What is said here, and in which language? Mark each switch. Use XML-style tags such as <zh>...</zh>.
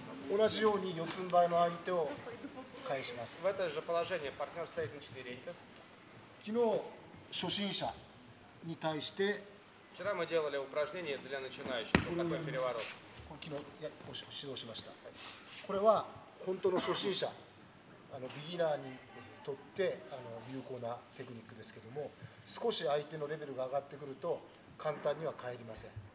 <ja>同じように四つん這いの相手を返します。</ja> <ru>В это же положение партнер стоит на четвереньках。</ru> <ja>昨日初心者に対して。</ja> <ru>Вчера мы делали упражнение для начинающих. Такой переворот.</ru> <ja>昨日や指導しました。これは本当の初心者、ビギナーにとって有効なテクニックですけども、少し相手のレベルが上がってくると簡単には返りません。</ja>